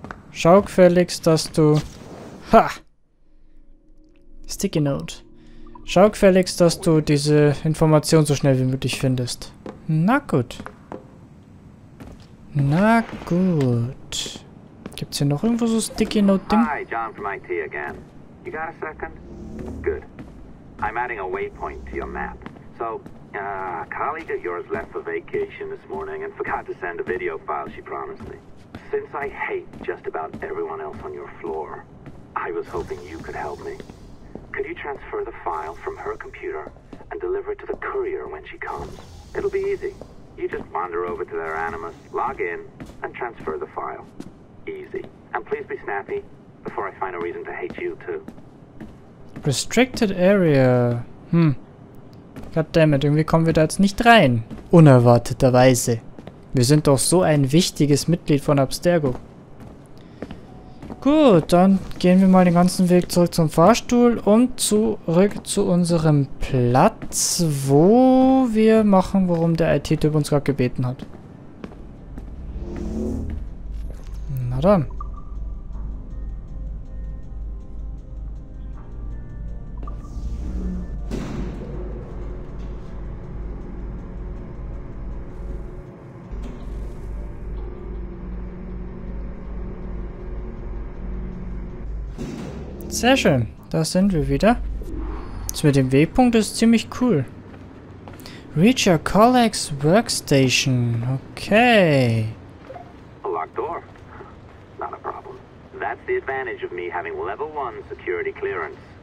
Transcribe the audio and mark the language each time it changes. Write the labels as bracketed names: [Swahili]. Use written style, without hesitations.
[German] Schau gefälligst, dass du... Ha! Sticky Note. Schau gefälligst, dass du diese Information so schnell wie möglich findest. Na gut. Na gut. Gibt's hier noch irgendwo so Sticky Note-Ding? [English] Hi, John from IT again. You got a second? Good. I'm adding a waypoint to your map. So, a colleague of yours left for vacation this morning and forgot to send a video file she promised me. Since I hate just about everyone else on your floor, I was hoping you could help me. Could you transfer the file from her computer and deliver it to the courier when she comes? It'll be easy. You just wander over to their Animus, log in, and transfer the file. Easy. And please be snappy before I find a reason to hate you too. Restricted Area. [German] Goddammit, irgendwie kommen wir da jetzt nicht rein. Unerwarteterweise. Wir sind doch so ein wichtiges Mitglied von Abstergo. Gut, dann gehen wir mal den ganzen Weg zurück zum Fahrstuhl und zurück zu unserem Platz, wo wir machen, worum der IT-Typ uns gerade gebeten hat. Na dann. Sehr schön, da sind wir wieder. Das mit dem Wegpunkt ist ziemlich cool. [English] Reach your colleague's workstation. Okay. A locked door. Not a problem. That's the advantage of me having level 1 security clearance.